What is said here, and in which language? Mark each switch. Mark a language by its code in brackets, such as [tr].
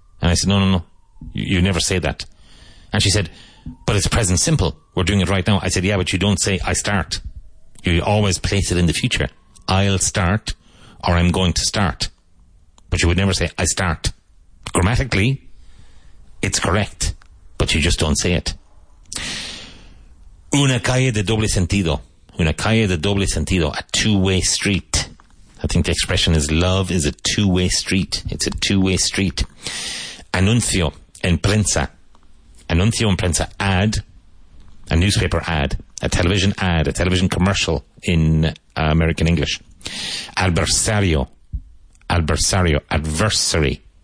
[en] And I said, no, you never say that. And she said, but it's present simple, we're doing it right now. I said, yeah, but you don't say, I start. You always place it in the future. I'll start, or I'm going to start. But you would never say, I start. Grammatically, it's correct, but you just don't say it. [es] Una calle de doble sentido. Una calle de doble sentido. [en] A two-way street. I think the expression is love is a two-way street. It's a two-way street. [es] Anuncio en prensa. Anuncio en prensa. [en] Ad. A newspaper ad. A television ad. A television commercial in American English. [es] Adversario. Adversario. [en] Adversary.